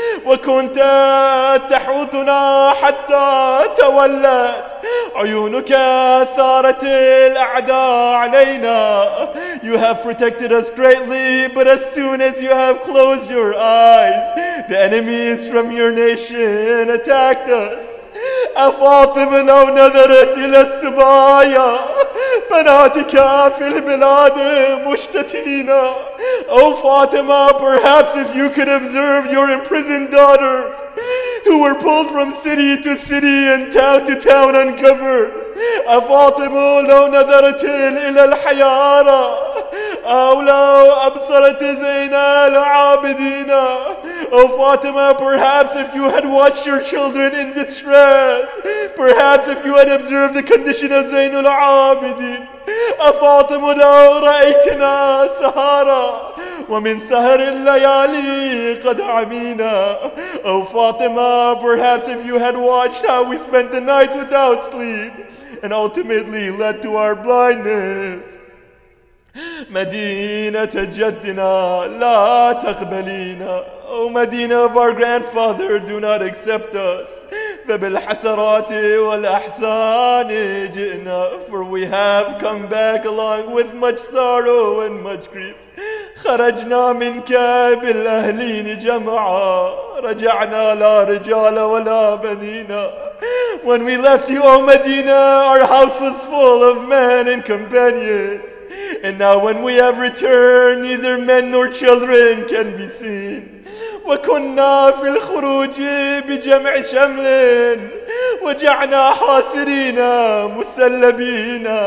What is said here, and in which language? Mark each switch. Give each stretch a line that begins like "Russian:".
Arabic: وكنت تحوطنا حتى تولت عيونك ثارت الأعداء علينا.
English: You have protected us greatly, but as soon as you have closed your eyes, the enemies from your nation attacked us.
Arabic: أفاطم لو نظرت إلى السبايا بناتك في البلاد مشتتينا.
English: O Fatima, perhaps if you could observe your imprisoned daughters who were pulled from city to city and town to town uncovered.
Arabic: أفاطم لو نظرت إلى الحيارة أو لو أبصرت زينا العابدين.
English: O Fatima, perhaps if you had watched your children in distress, perhaps if you had observed the condition of Zainul Abidin.
Arabic: أفاطم لو رأيتنا سهارا ومن سهر الليالي قد عمينا.
English: O Fatima, perhaps if you had watched how we spent the nights without sleep and ultimately led to our blindness.
Arabic: مدينة جدنا لا تقبلينا.
English: O Medina of our grandfather, do not accept us.
Arabic: فبالحسرات والأحزان جئنا.
English: For we have come back along with much sorrow and much grief.
Arabic: خرجنا منك بالأهلين جمعا رجعنا لا رجال ولا بنينا.
English: When we left you, O Medina, our house was full of men and companions. And now when we have returned, neither men nor children can be seen.
Arabic: وَكُنَّا فِي الْخُرُوجِ بِجَمْعِ شَمْلٍ وَجَعْنَا حَاسِرِينَ مُسَلَّبِينَ.